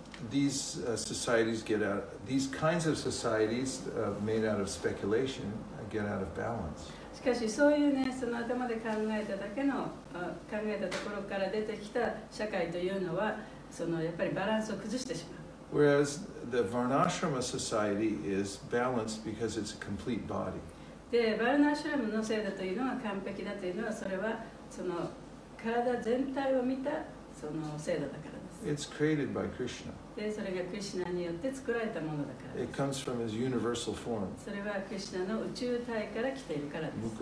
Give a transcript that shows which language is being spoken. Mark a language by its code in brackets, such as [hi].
[en] these societies get out, these kinds of societies made out of speculation get out of balance. [ja] しかしそういうね、その頭で考えただけの、考えたところから出てきた社会というのは、そのやっぱりバランスを崩してしまう。 [en] Whereas the Varnashrama society is balanced because it's a complete body. [ja] で、バルナシュラムの制度というのは完璧だというのは、それはその体全体を見たその制度だからです。 [en] It's created by Krishna. [ja] でそれがクリシュナによって作られたものだから [en] It comes from his universal form. [ja] それはクリシュナの宇宙体から来ているからです。